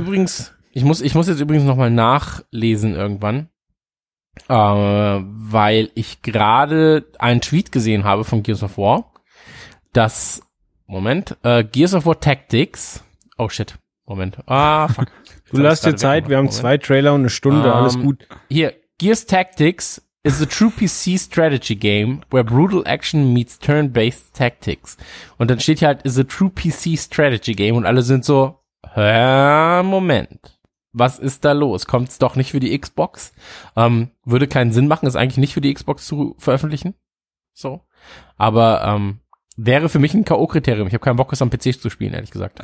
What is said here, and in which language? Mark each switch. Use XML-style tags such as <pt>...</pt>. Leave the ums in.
<de>Übrigens, ich muss, ich muss jetzt übrigens nochmal nachlesen irgendwann, äh, weil ich gerade einen Tweet gesehen habe von Gears of War, dass, Moment, äh, Gears of War Tactics, oh shit, Moment, ah, fuck. Du lass dir Zeit, wir haben zwei zwei Trailer und eine Stunde, alles Ähm, gut.</de> <en>Here, Gears Tactics is a true PC strategy game where brutal action meets turn-based tactics.</en> <de>Und dann steht hier halt,</de> <en>is a true PC strategy game</en> <de>und alle sind so, hä, Moment. Was ist da los? Kommt's doch nicht für die Xbox? Ähm, würde keinen Sinn machen, es eigentlich nicht für die Xbox zu veröffentlichen. So. Aber ähm, wäre für mich ein K.O.-Kriterium. Ich habe keinen Bock, es am PC zu spielen, ehrlich gesagt.</de>